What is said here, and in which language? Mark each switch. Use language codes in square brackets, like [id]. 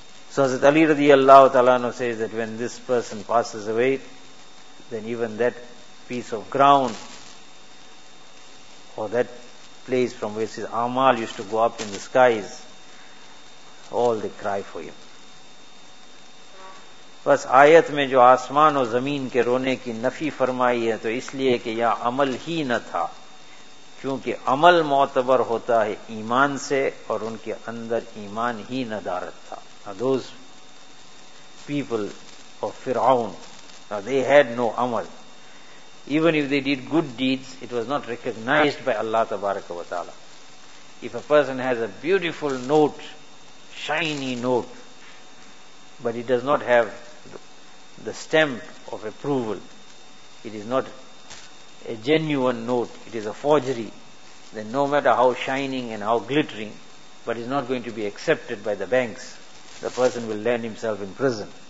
[en] So Hazrat Ali radiallahu ta'ala says that when this person passes away, then even that piece of ground or that place from which his amal used to go up in the skies, all they cry for him. [ur] بس آیت میں جو آسمان و زمین کے رونے کی نفی فرمائی ہے تو اس لیے کہ یہاں عمل ہی نہ تھا, کیونکہ عمل معتبر ہوتا ہے ایمان سے اور ان کے اندر ایمان ہی ندارت تھا. [en] Now those people of Firaun, now they had no عمل. Even if they did good deeds, it was not recognized by Allah تبارک و تعالی. If a person has a beautiful note, shiny note, but it does not have the stamp of approval, it is not a genuine note, it is a forgery, then no matter how shining and how glittering, but is not going to be accepted by the banks, the person will land himself in prison.